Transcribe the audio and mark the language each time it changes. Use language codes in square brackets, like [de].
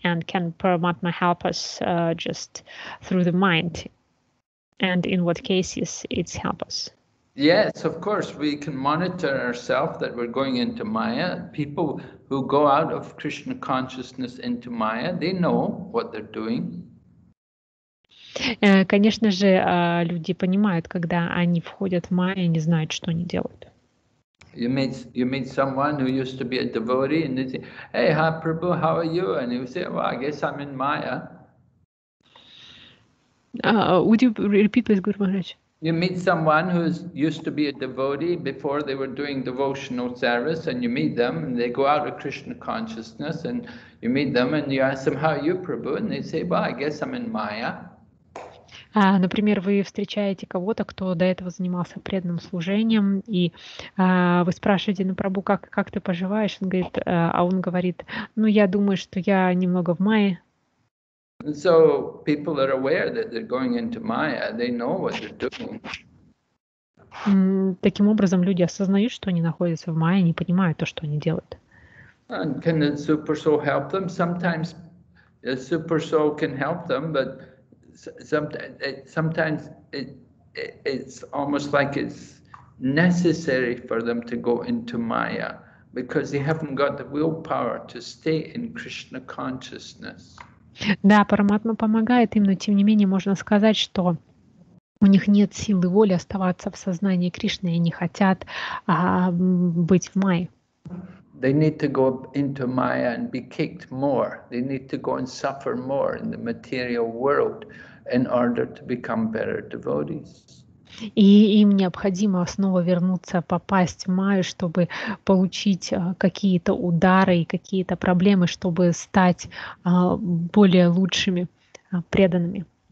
[en] And can Paramatma help us just through the mind? And in what cases it's help us? Yes, of course, we can monitor ourselves that we're going into Maya. People who go out of Krishna consciousness into Maya, they know what they're doing. [ru] Конечно же, люди понимают, когда они входят в Майя и не знают, что они делают. [en] You meet someone who used to be a devotee, and they say, "Hey, Prabhu, how are you?" And you say, "Well, I guess I'm in Maya." Would you repeat, please, Guru Maharaj? You meet someone who used to be a devotee before they were doing devotional service, and you meet them, and they go out of Krishna consciousness, and you meet them, and you ask them, "How are you, Prabhu?" And they say, "Well, I guess I'm in Maya." [ru] Например, вы встречаете кого-то, кто до этого занимался преданным служением, и вы спрашиваете, ну, Прабу, как ты поживаешь? Он говорит, а он говорит, ну, я думаю, что я немного в Майе. [en] So people are aware that they're going into Maya, they know what they're doing. [ru] Таким образом, люди осознают, что они находятся в Майе, они понимают то, что они делают. [en] And can the super soul help them? Sometimes the super soul can help them, but Sometimes it's almost like it's necessary for them to go into Maya because they haven't got the willpower to stay in Krishna consciousness. [ru] Да, Параматма помогает им, но тем не менее можно сказать, что у них нет силы воли оставаться в сознании Кришны, и они хотят быть в Майе. [en] They need to go into Maya and be kicked more. They need to go and suffer more in the material world in order to become better devotees. [ru] И им необходимо снова вернуться, попасть в Майю, чтобы получить какие-то удары и какие-то проблемы, чтобы стать более лучшими преданными.